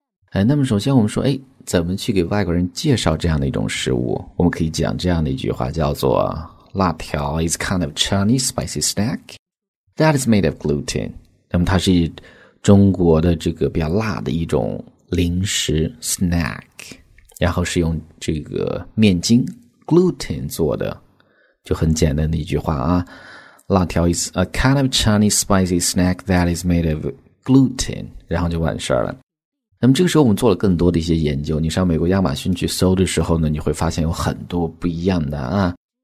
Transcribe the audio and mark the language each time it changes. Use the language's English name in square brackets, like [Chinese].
[Chinese] 哎，那么首先我们说，哎，怎么去给外国人介绍这样的一种食物？我们可以讲这样的一句话，叫做辣条 [English] is kind of Chinese spicy snack that is made of gluten。 [Chinese] 那么它是中国的这个比较辣的一种零食 snack， 然后是用这个面筋 gluten 做的，就很简单的一句话啊。 [English] 辣条 is a kind of Chinese spicy snack that is made of gluten， [Chinese] 然后就完事了。那么这个时候我们做了更多的一些研究，你上美国亚马逊去搜的时候呢，你会发现有很多不一样的啊。